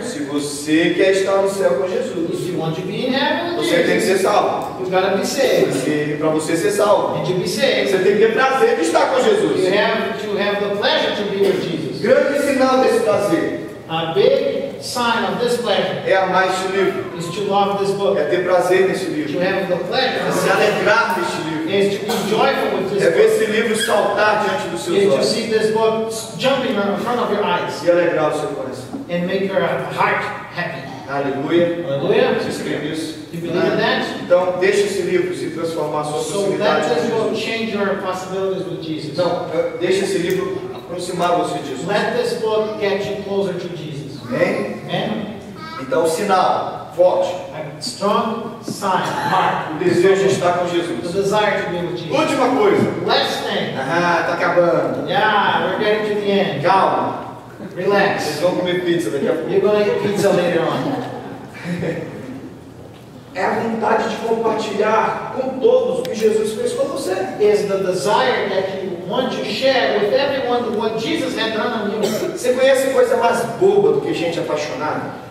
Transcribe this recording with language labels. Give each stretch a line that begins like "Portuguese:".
Portuguese: se você quer estar no céu com Jesus,
English: if you want to be in heaven,
Portuguese: você tem que ser salvo.
English: You've gotta be saved.
Portuguese: Para você ser salvo,
English: and to be saved,
Portuguese: você tem que ter prazer de estar com Jesus.
English: You have to have the pleasure to be with Jesus.
Portuguese: Grande sinal desse prazer.
English: A big sign of this pleasure.
Portuguese: É amar este livro.
English: Is to love this book.
Portuguese: É ter prazer neste livro.
English: To have the pleasure.
Portuguese: É se alegrar neste livro.
English: Is to be joyful with this
Portuguese: é ver esse livro saltar diante dos seus olhos.
English: To see this book jumping in front of your eyes.
Portuguese: E alegrar o seu coração.
English: And make your heart happy.
Portuguese: Aleluia.
English: Aleluia.
Portuguese: Você escreve isso?
English: Do you believe in that?
Portuguese: Então deixe esse livro se transformar suas possibilidades.
English: So let this book change your possibilities with Jesus.
Portuguese: Então deixe esse livro aproximar você de Jesus.
English: Let this book get you closer to Jesus.
Portuguese: Amém?
English: Amém?
Portuguese: Então, sinal forte.
English: A strong sign, mark.
Portuguese: O desejo de estar com Jesus.
English: The desire to be with Jesus.
Portuguese: Última coisa.
English: Last thing.
Portuguese: Ah, tá acabando.
English: Yeah, we're getting to the end.
Portuguese: Calma.
English: Relax.
Portuguese: Vocês vão comer pizza daqui a pouco.
English: You're going to eat pizza later on.
Portuguese: É a vontade de compartilhar com todos o que Jesus fez com você.
English: Is the desire that you want to share with everyone what Jesus had done on you.
Portuguese: Você conhece coisa mais boba do que gente apaixonada?